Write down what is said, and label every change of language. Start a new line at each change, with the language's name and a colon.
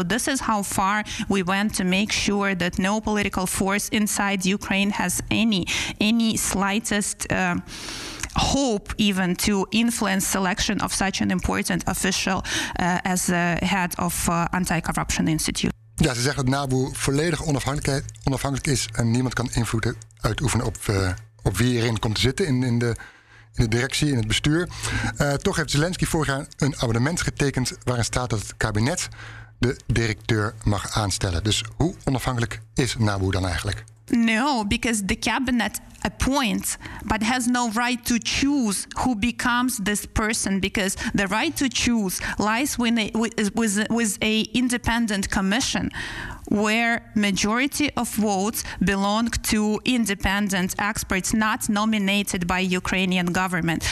English: So this is how far we went to make sure that no political force inside Ukraine has any slightest hope even to influence selection of such an important official as the head of Anti-Corruption Institute.
Dutch: Ja, ze zeggen dat NABU volledig onafhankelijk is en niemand kan invloed uitoefenen op wie erin komt te zitten in de directie, in het bestuur. Toch heeft Zelensky vorig jaar een abonnement getekend waarin staat dat het kabinet de directeur mag aanstellen. Dus hoe onafhankelijk is NABU dan eigenlijk?
English: No, because the cabinet appoints, but has no right to choose who becomes this person, because the right to choose lies with a independent commission, where majority of votes belong to independent experts not nominated by Ukrainian government.